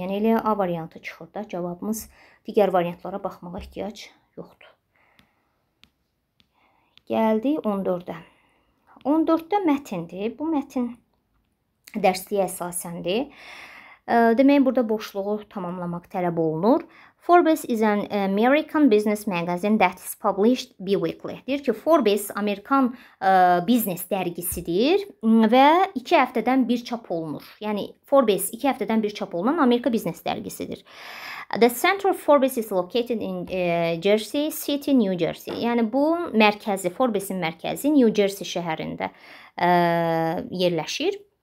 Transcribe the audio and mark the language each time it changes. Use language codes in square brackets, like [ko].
[az] Yəni elə A variantı çıxır da cavabımız digər variantlara baxmağa ehtiyac yoxdur. Gəldi 14-də. 14-də mətindir. Bu mətin dərsliyə əsasəndir. Demək, burada boşluğu tamamlamaq tələb olunur. [en] Forbes is an American business magazine that is published biweekly. [az] Deyir ki, Forbes Amerikan biznes dərgisidir və 2 həftədən bir çap olunur. Yəni, Forbes 2 həftədən bir çap olunan Amerika biznes dərgisidir. [en] The center of Forbes is located in Jersey City, New Jersey. [az] Yəni, bu mərkəzi, Forbes'in mərkəzi New Jersey şəhərində yerləşir.